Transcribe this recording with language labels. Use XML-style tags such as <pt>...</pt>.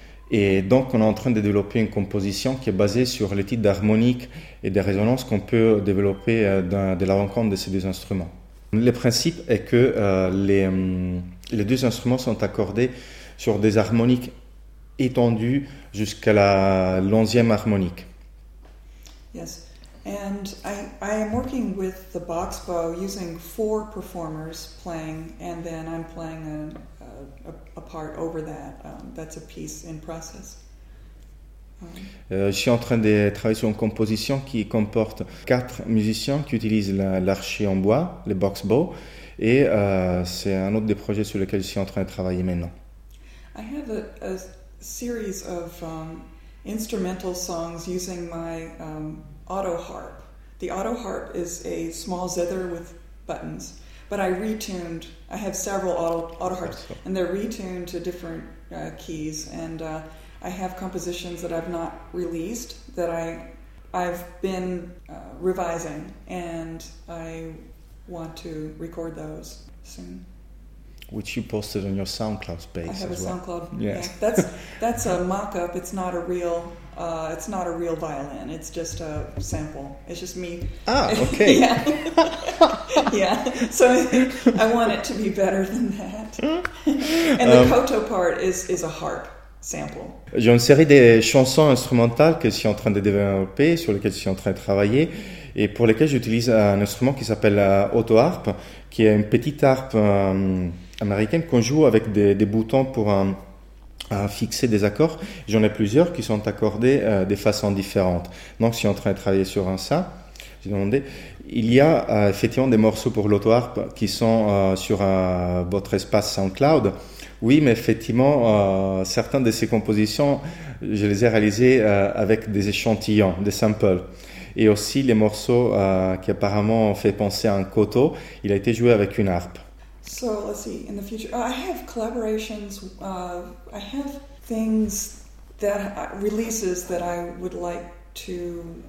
<fr>Et donc, on est en train de développer une composition qui est basée sur les types d'harmoniques et des résonances qu'on peut développer de la rencontre de ces deux instruments. Le principe est que les deux instruments sont accordés sur des harmoniques étendues jusqu'à la 11e harmonique.</fr> <en>Yes, and I am working with the box bow using four performers playing, and then I'm playing a part over that. That's a piece in process.</en> <fr>Je suis en train de travailler sur une composition qui comporte quatre musiciens qui utilisent l'archet en bois, le box bow, et c'est un autre des projets sur lesquels je suis en train de travailler maintenant.</fr> <en>I have a series of instrumental songs using my auto harp. The auto harp is a small zither with buttons. But I retuned, I have several auto harps, and they're retuned to different keys. And I have compositions that I've not released that I've been revising, and I want to record those soon. Which you posted on your SoundCloud page. I have as well. SoundCloud. Yes. Yeah, that's a mock-up. It's not a real. It's not a real violin. It's just a sample. It's just me. Ah, okay. Yeah. Yeah. So I want it to be better than that. And the koto part is a harp sample.</en> <fr>J'ai une série de chansons instrumentales que je suis en train de développer, sur lesquelles je suis en train de travailler. Et pour lesquels j'utilise un instrument qui s'appelle auto-harpe, qui est une petite harpe américaine qu'on joue avec des boutons pour fixer des accords. J'en ai plusieurs qui sont accordés de façons différentes. Donc, si on est en train de travailler sur ça, j'ai demandé. Il y a effectivement des morceaux pour l'auto-harpe qui sont sur votre espace SoundCloud. Oui, mais effectivement, certaines de ces compositions, je les ai réalisées avec des échantillons, des samples. Et aussi les morceaux qui apparemment ont fait penser à un koto, il a été joué avec une harpe.</fr> <en>So, let's see, in the future, I have collaborations, I have things that, releases that I would like to</en>